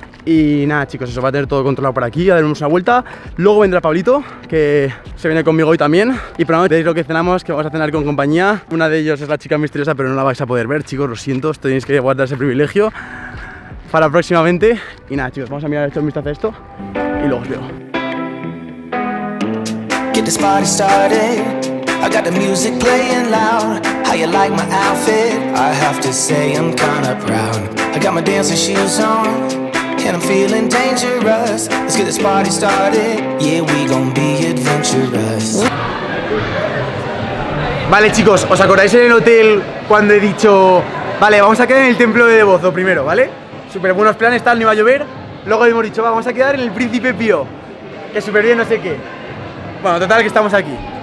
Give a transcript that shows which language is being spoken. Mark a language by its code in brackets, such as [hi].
[es] Y nada, chicos, eso va a tener todo controlado por aquí, ya daremos una vuelta. Luego vendrá Pablito, que se viene conmigo hoy también. Y pronto tenéis lo que cenamos, que vamos a cenar con compañía. Una de ellos es la chica misteriosa, pero no la vais a poder ver, chicos, lo siento, tenéis que guardar ese privilegio para próximamente. Y nada, chicos, vamos a mirar un vistazo a esto y luego os veo. [en] Get this party started. I got the music playing loud. How you like my outfit? I have to say I'm kinda proud. I got my dancing shoes on, and I'm feeling dangerous. Let's get this party started. Yeah, we gon' be adventurous. [es] Vale, chicos, ¿os acordáis en el hotel cuando he dicho? Vale, vamos a quedar en el templo de Devozo primero, ¿vale? Súper buenos planes, tal, no iba a llover. Luego hemos dicho, vamos a quedar en el Príncipe Pío, que súper bien, no sé qué. Bueno, total, que estamos aquí